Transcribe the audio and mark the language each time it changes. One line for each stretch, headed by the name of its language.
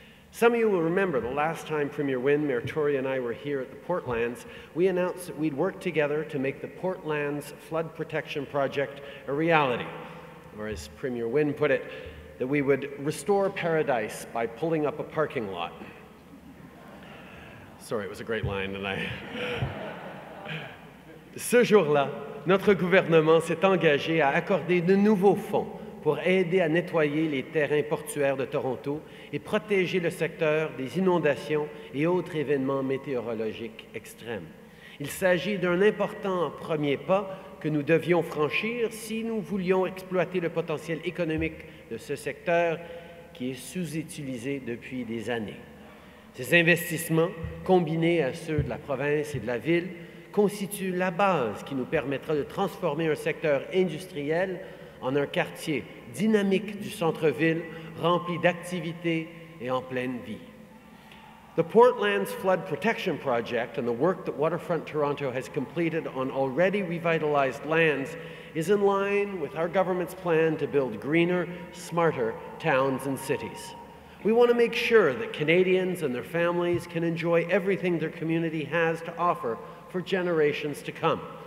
English: Some of you will remember the last time Premier Wynne, Mayor Tory and I were here at the Portlands, we announced that we'd work together to make the Portlands Flood Protection Project a reality. Or as Premier Wynne put it, that we would restore paradise by pulling up a parking lot. Sorry, it was a great line and I...
French: Ce jour-là, notre gouvernement s'est engagé à accorder de nouveaux fonds pour aider à nettoyer les terrains portuaires de Toronto et protéger le secteur des inondations et autres événements météorologiques extrêmes. Il s'agit d'un important premier pas que nous devions franchir si nous voulions exploiter le potentiel économique de ce secteur qui est sous-utilisé depuis des années. Ces investissements, combinés à ceux de la province et de la ville, constituent la base qui nous permettra de transformer un secteur industriel en un quartier dynamique du centre-ville, rempli d'activités et en pleine vie.
English: The Portlands Flood Protection Project and the work that Waterfront Toronto has completed on already revitalized lands is in line with our government's plan to build greener, smarter towns and cities. We want to make sure that Canadians and their families can enjoy everything their community has to offer for generations to come.